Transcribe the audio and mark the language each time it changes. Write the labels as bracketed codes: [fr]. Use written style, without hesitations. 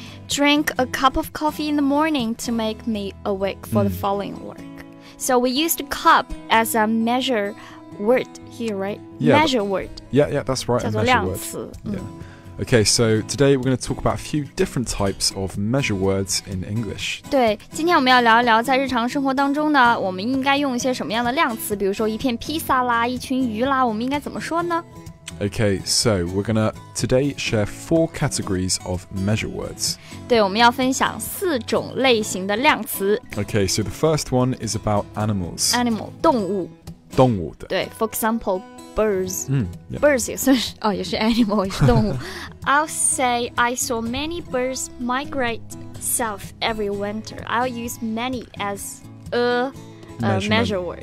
[en] Drink a cup of coffee in the morning to make me awake for the following work. So we used a cup as a measure word here, right? Yeah, measure word. Yeah, yeah, that's right. [zh] 叫做量词 [en] Okay, so today we're going to talk about a few different types of measure words in English. [zh] 对，今天我们要聊一聊在日常生活当中呢，我们应该用一些什么样的量词，比如说一片披萨啦，一群鱼啦，我们应该怎么说呢？ [en] Okay, so we're going to today share four categories of measure words. [zh] 对，我们要分享四种类型的量词。 [en] Okay, so the first one is about animals. [zh] Animal, 动物。动物的。 [en] 对 ,for example, birds.、 Yeah. Birds [zh] 也算是,哦,也是 animal, 也是动物。 [en] I'll say I saw many birds migrate south every winter. I'll use many as a... measure word.